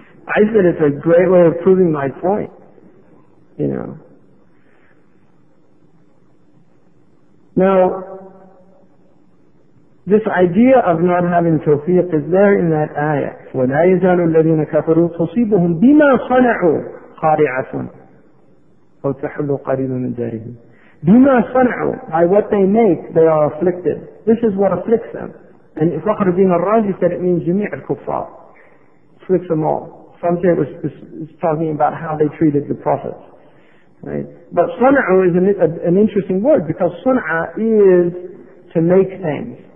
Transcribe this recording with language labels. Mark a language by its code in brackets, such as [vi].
[en] I said, it's a great way of proving my point, you know. Now, this idea of not having tawfiq is there in that ayah. [ar] وَلَا يَزَالُ الَّذِينَ كَفَرُوا تُصِيبُهُمْ بِمَا صَنَعُوا قَارِعَةٌ أَوْ تَحُلُّ قَرِيبًا مِنْ دَارِهِمْ بِمَا صَنَعُوا, [en] by what they make, they are afflicted. This is what afflicts them. And Fakhr ibn al-Razi said it means [ar] جميع الكفار. [en] Afflicts them all. Some say it was talking about how they treated the prophets. Right. But sun'a is an interesting word, because sun'a is to make things.